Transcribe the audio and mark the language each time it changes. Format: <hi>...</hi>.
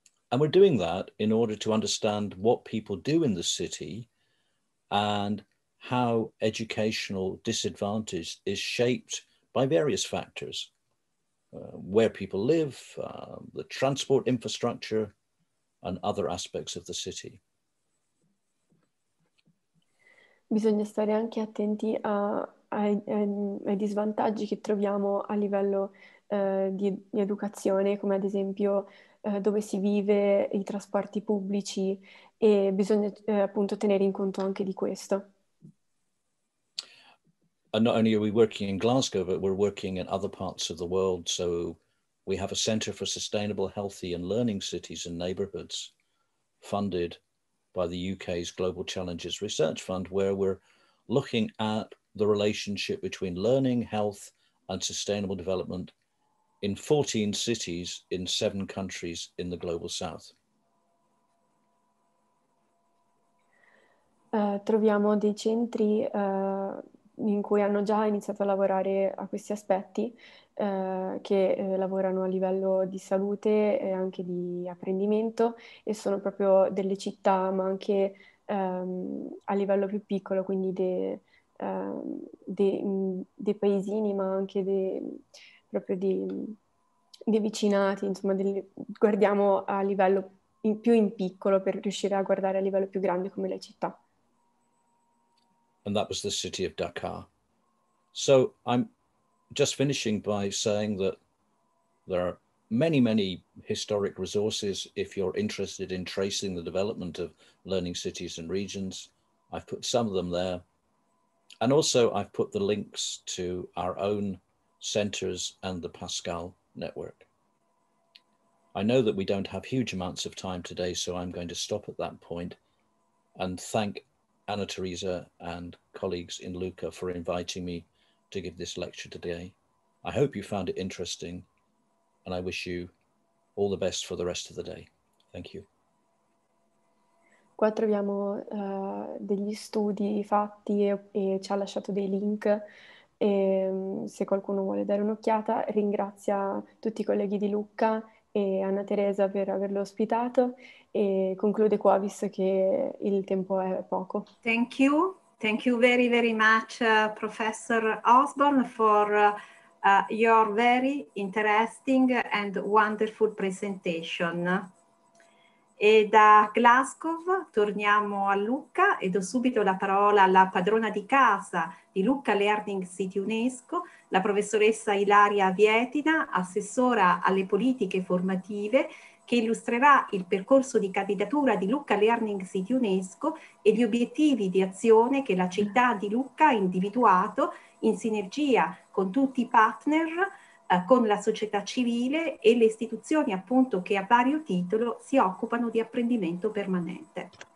<en>And we're doing that in order to understand what people do in the city and how educational disadvantage is shaped by various factors, where people live, the transport infrastructure, and other aspects of the city.</en> <it>Bisogna stare anche attenti ai disvantaggi che troviamo a livello di educazione, come ad esempio dove si vive, i trasporti pubblici, e bisogna appunto tenere in conto anche di questo.</it> <en>And not only are we working in Glasgow, but we're working in other parts of the world. So we have a Centre for Sustainable, Healthy and Learning Cities and Neighbourhoods funded by the UK's Global Challenges Research Fund, where we're looking at the relationship between learning, health and sustainable development in 14 cities in 7 countries in the Global South.</en> <it>Troviamo dei centri in cui hanno già iniziato a lavorare a questi aspetti, lavorano a livello di salute e anche di apprendimento, e sono proprio delle città, ma anche a livello più piccolo, quindi dei paesini, ma anche proprio dei vicinati, insomma, guardiamo a livello più in piccolo per riuscire a guardare a livello più grande come le città.</it> <en>And that was the city of Dakar. So I'm just finishing by saying that there are many, many historic resources if you're interested in tracing the development of learning cities and regions. I've put some of them there. And also I've put the links to our own centers and the Pascal network. I know that we don't have huge amounts of time today, so I'm going to stop at that point and thank Anna Teresa and colleagues in Lucca for inviting me to give this lecture today. I hope you found it interesting, and I wish you all the best for the rest of the day. Thank you.</en> <it>Qua troviamo degli studi fatti e ci ha lasciato dei link, e se qualcuno vuole dare un'occhiata, ringrazia tutti i colleghi di Lucca e Anna Teresa per averlo ospitato, e conclude qua visto che il tempo è poco.</it> <en>Thank you very very much Professor Osborne for your very interesting and wonderful presentation.</en> <it>E da Glasgow torniamo a Lucca e do subito la parola alla padrona di casa di Lucca Learning City UNESCO, la professoressa Ilaria Vietina, assessora alle politiche formative, che illustrerà il percorso di candidatura di Lucca Learning City UNESCO e gli obiettivi di azione che la città di Lucca ha individuato in sinergia con tutti i partner, con la società civile e le istituzioni appunto che a vario titolo si occupano di apprendimento permanente.</it>